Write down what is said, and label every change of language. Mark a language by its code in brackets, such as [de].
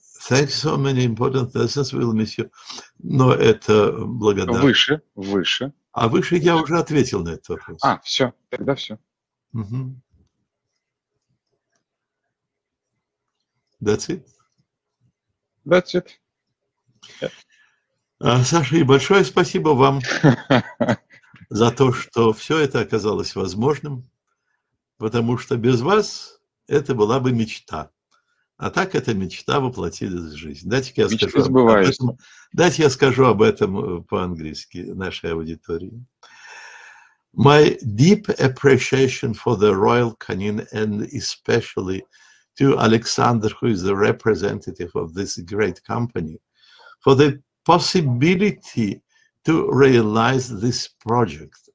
[en] Thank you so many important lessons, we'll miss you. [ru] Но это благодарность. Выше, выше. А выше я уже ответил на этот вопрос. А, все, тогда все. Угу. [en] That's it? That's it. Yeah. [ru] Саша, и большое спасибо вам за то, что все это оказалось возможным, потому что без вас это была бы мечта. А так эта мечта воплотилась в жизнь. Дайте я скажу об этом. Дайте я скажу об этом по-английски нашей аудитории. [en] My deep appreciation for the Royal Canin and especially to Alexander, who is the representative of this great company, for the possibility to realize this project.